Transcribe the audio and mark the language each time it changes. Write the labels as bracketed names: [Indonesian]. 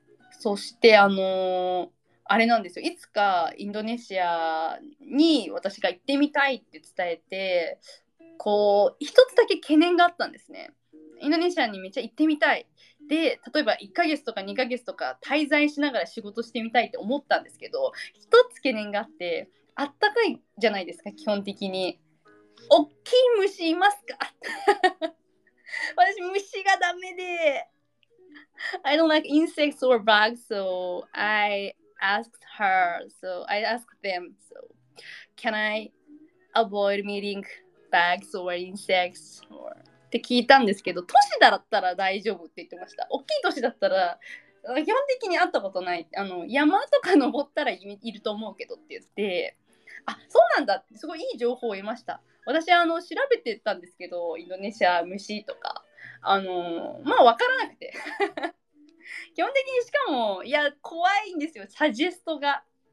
[Japanese] そしてあれなんですよ、いつかインドネシアに私が行ってみたいって伝えて、こう一つだけ懸念があったんですね。インドネシアにめっちゃ行ってみたい、で例えば1ヶ月とか2ヶ月とか滞在しながら仕事してみたいって思ったんですけど、一つ懸念があって、あったかいじゃないですか基本的に。おっきい虫いますか私虫がダメで、 [English] I don't like insects or bugs, so I asked her, so I asked them, so can I avoid meeting bugs or insects or... [Japanese] って聞いたんですけど、都市だったら大丈夫って言ってました。大きい都市だったら基本的に会ったことない、あの山とか登ったらいると思うけどって言って、あそうなんだってすごいいい情報を得ました。私あの調べてたんですけど、インドネシア虫とかあのまあ分からなくて基本的に、しかもいや怖いんですよサジェストが。